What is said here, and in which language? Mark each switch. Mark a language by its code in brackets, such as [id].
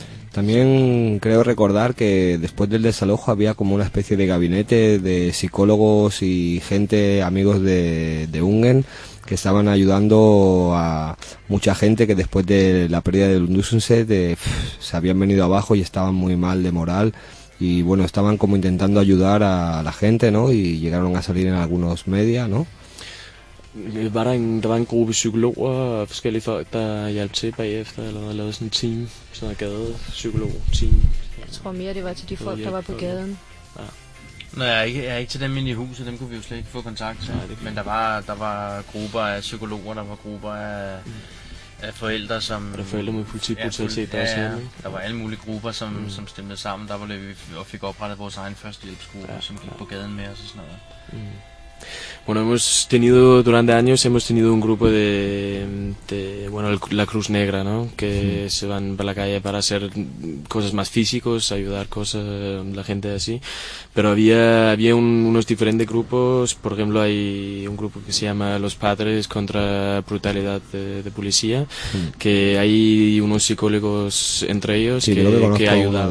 [es] También creo recordar que después del desalojo había como una especie de gabinete de psicólogos y gente, amigos de Ungen, que estaban ayudando a mucha gente que después de la pérdida del Lundusenset se habían venido abajo y estaban muy mal de moral. Y bueno, estaban como intentando ayudar a la gente, ¿no? Y llegaron a salir en algunos media, ¿no? [da] Var der en gruppe psykologer og forskellige folk, der hjalp til bagefter, eller havde lavet sådan en team, sådan en gadepsykolog-team? Jeg tror mere, det var til de folk, der var på gaden. Ja. Nej, jeg er ikke til dem inde i huset, dem kunne vi jo slet ikke få kontakt til. Nej, men der var grupper af psykologer, der var grupper af forældre, som... Var der forældre med politibrutalitet, der også? Der var alle mulige grupper, som stemte sammen. Der var vi og fik oprettet vores egen førstehjælpsgruppe, som gik på gaden med os og sådan noget. [es] Bueno, hemos tenido durante años hemos tenido un grupo de bueno, la Cruz Negra, ¿no? Que se van para la calle para hacer cosas más físicos, ayudar cosas la gente así. Pero había unos diferentes grupos, por ejemplo, hay un grupo que se llama Los Padres contra Brutalidad de Policía, que hay unos psicólogos entre ellos que ayudan